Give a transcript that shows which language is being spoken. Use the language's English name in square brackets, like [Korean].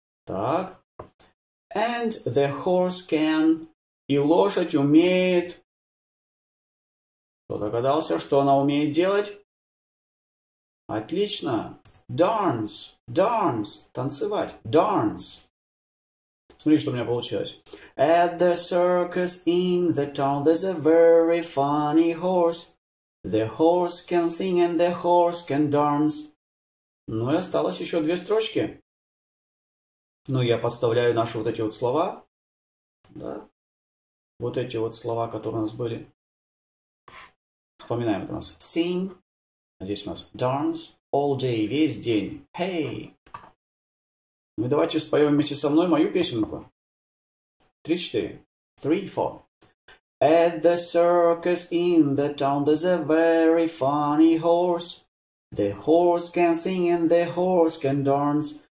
[Russian] Так. [English] And the horse can. [Russian] И лошадь умеет. Кто догадался, что она умеет делать? Отлично. [English] Dance, dance. [Russian] Танцевать. [English] Dance. [Russian] Смотри, что у меня получилось. [English] At the circus in the town there's a very funny horse. The horse can sing and the horse can dance. [Russian] Ну и осталось еще две строчки. Ну, я подставляю наши вот эти вот слова. Да? Вот эти вот слова, которые у нас были. Вспоминаем, это у нас sing. А здесь у нас dance. [English] All day, [Russian] весь день. Hey! Ну давайте споем вместе со мной мою песенку. 3-4. 3-4. [English] At the circus in the town there's a very funny horse. The horse can sing and the horse can dance.